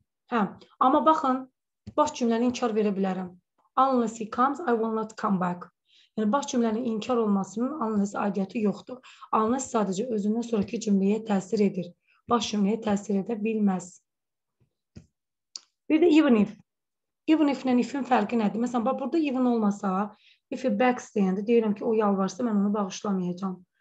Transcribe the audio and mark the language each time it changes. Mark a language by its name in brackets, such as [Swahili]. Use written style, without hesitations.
[Azerbaijani] Amma baxın, baş cümləni inkar verə bilərəm. [English] Unless he comes, I will not come back. [Azerbaijani] Yəni, baş cümlənin inkar olmasının unless aidiyyəti yoxdur. Unless sadəcə özündən sonraki cümləyə təsir edir. Baş cümləyə təsir edə bilməz. Bir də even if. Even if-lə if-in fərqi nədir? Məsələn, bax, burada even olmasa, if-i back deyəndə, deyirəm ki, o yalvarsa, mən onu bağışlamayacağım.